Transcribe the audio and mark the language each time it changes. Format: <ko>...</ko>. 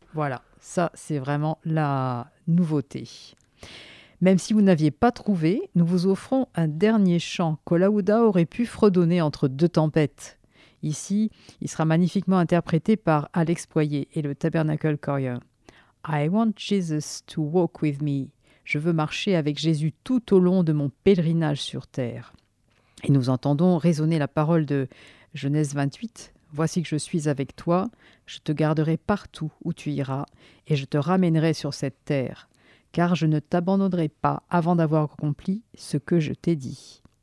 <fr>Voilà, ça, c'est vraiment la nouveauté. Même si vous n'aviez pas trouvé, nous vous offrons un dernier chant qu'Olaouda aurait pu fredonner entre deux tempêtes. Ici, il sera magnifiquement interprété par Alex Poyer et le Tabernacle Choir.</fr> <en>I want Jesus to walk with me.</en> <fr>Je veux marcher avec Jésus tout au long de mon pèlerinage sur terre. Et nous entendons résonner la parole de Genèse 28. Voici que je suis avec toi, je te garderai partout où tu iras et je te ramènerai sur cette terre. Car je ne t'abandonnerai pas avant d'avoir accompli ce que je t'ai dit.</fr>